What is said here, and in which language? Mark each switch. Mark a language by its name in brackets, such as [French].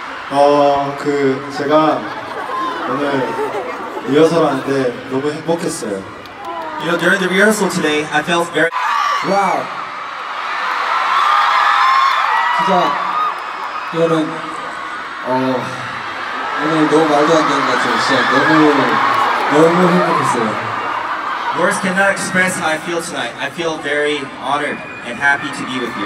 [Korean] Oh, 제가 오늘 리허설 하는데 너무 행복했어요. [English] You know, during the rehearsal today, I felt very... Wow! [Korean] 진짜, 여러분, 오늘 너무 말도 안 되는 것 같아요. 진짜 너무, 너무 행복했어요. [English] Words cannot express how I feel tonight. I feel very honored and happy to be with you.